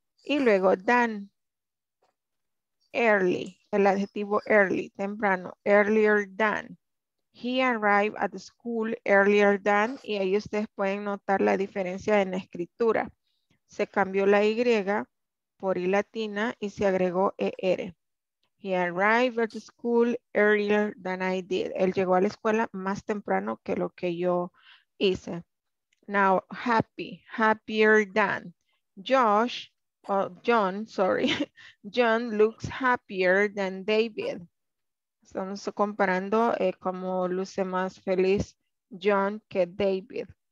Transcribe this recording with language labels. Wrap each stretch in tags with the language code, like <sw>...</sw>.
<es>Y luego Dan, early, el adjetivo early, temprano, earlier than.</es> <en>He arrived at the school earlier than,</en> <es>y ahí ustedes pueden notar la diferencia en la escritura. Se cambió la Y por I latina y se agregó ER.</es> <en>He arrived at the school earlier than I did.</en> <es>Él llegó a la escuela más temprano que lo que yo hice.</es> <en>Now, happy, happier than. John looks happier than David.</en> <es>Estamos comparando cómo luce más feliz John que David.</es>